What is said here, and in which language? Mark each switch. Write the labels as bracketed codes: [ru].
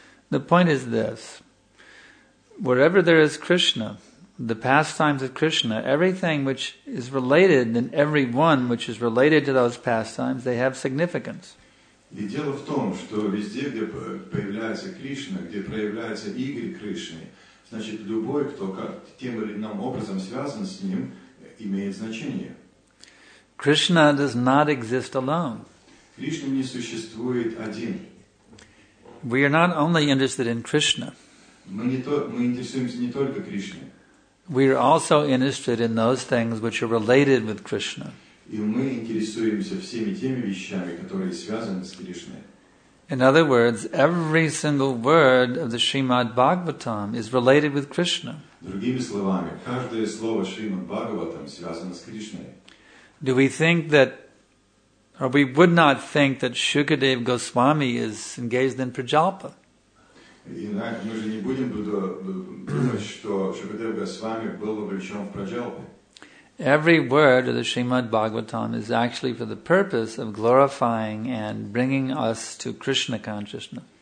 [en] The point is this. Wherever there is Krishna, the pastimes of Krishna, everything which is related and everyone which is related to those pastimes, they have significance. [ru] И дело в том, что везде, где появляется Кришна, где проявляется Игорь Кришны, значит, любой, кто тем или иным образом связан с ним, имеет значение. [en] Krishna does not exist alone. [ru] Кришна не существует один. [en] We are not only interested in Krishna. [ru] Мы интересуемся не только Кришной. [en] We are also interested in those things which are related with Krishna. [ru] И мы интересуемся всеми теми вещами, которые связаны с Кришной. [en] In other words, every single word of the Srimad Bhagavatam is related with Krishna. [ru] Другими словами, каждое слово Шримад Бхагаватам связано с Кришной. [en] Do we think that, or we would not think that Shukadev Goswami is engaged in prajalpa? [ru] Мы же не будем думать, что Шукадев Госвами был вовлечен в праджалпу. [en] Every word of the Srimad Bhagavatam is actually for the purpose of glorifying and bringing us to Krishna consciousness.